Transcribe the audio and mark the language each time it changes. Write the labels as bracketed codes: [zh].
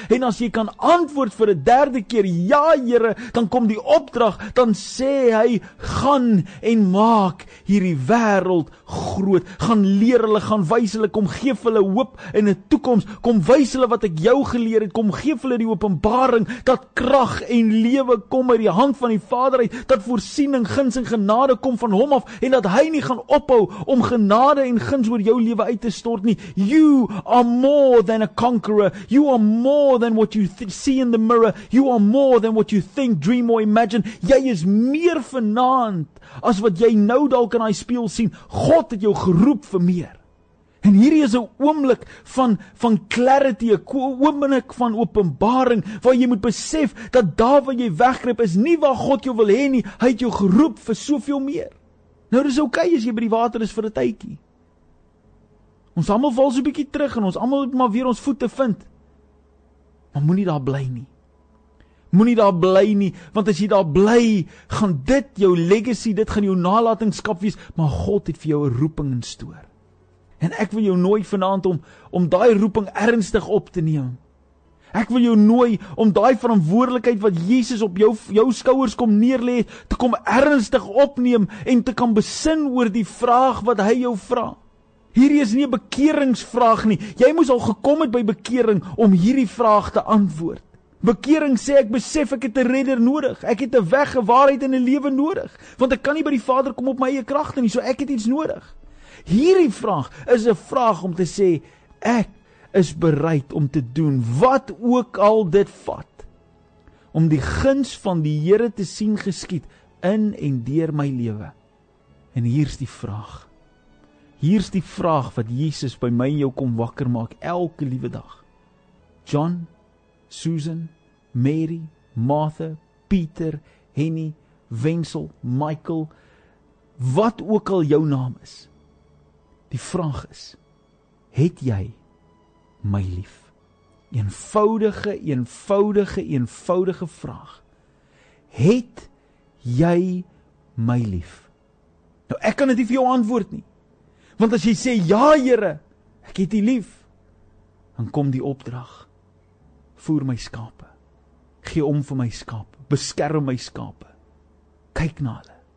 [af] En as jy kan antwoord vir 'n derde keer, ja Here, dan kom die opdrag, dan sê hy, gaan en maak hierdie wêreld groot, gaan leer hulle, gaan wys hulle, kom gee hulle hoop en 'n toekoms, kom wys hulle wat ek jou geleer het, kom gee hulle die openbaring, dat krag en lewe kom uit die hand van die Vader uit, dat voorsiening, guns en genade kom van hom af, en dat hy nie gaan ophou om genade en guns oor jou lewe uit te stort nie. [en] You are more than a conqueror, you are more than what you see in the mirror, you are more than what you think, dream or imagine. [af] Jy is meer vanaand as wat jy nou dalk in daai spieël sien. God het jou geroep vir meer. En hierdie is 'n oomblik van clarity, 'n oomblik van openbaring, waar jy moet besef dat daar waar jy wegkruip is nie waar God jou wil hê nie. Hy het jou geroep vir soveel meer. Nou dis okay as jy by die water is vir 'n tydjie. Ons almal val so 'n bietjie terug en ons almal moet maar weer ons voete vind. Maar moenie daar bly nie. Moenie daar bly nie, want as jy daar bly, gaan dit jou legacy, dit gaan jou nalatenskap wees, maar God het vir jou 'n roeping in stoor. En ek wil jou nooi vanaand om daai roeping ernstig op te neem. Ek wil jou nooi om daai verantwoordelikheid wat Jesus op jou skouers kom neerlê, te kom ernstig opneem en te kan besin oor die vraag wat hy jou vra. Hierdie is nie 'n bekeringsvraag nie. Jy moes al gekom het by bekering om hierdie vraag te antwoord. Bekering sê ek besef ek het 'n redder nodig. Ek het 'n weg, 'n waarheid en 'n lewe nodig. Want ek kan nie by die Vader kom op my eie kragte nie, so ek het iets nodig. Hierdie vraag is 'n vraag om te sê, ek is bereid om te doen wat ook al dit vat. Om die guns van die Here te sien geskied in en deur my lewe. En hier's die vraag. Hier's die vraag wat Jesus by my en jou kom wakker maak elke liewe dag. John, Susan, Mary, Martha, Pieter, Henny, Wenzel, Michael, wat ook al jou naam is. Die vraag is, het jy my lief? Eenvoudige, eenvoudige, eenvoudige vraag. Het jy my lief? Nou, ek kan dit nie vir jou antwoord nie. Want as jy sê, ja, Here, ek het U lief, dan kom die opdrag. Voer my skape. Gee om vir my skape. Beskerm my skape. Kyk na hulle.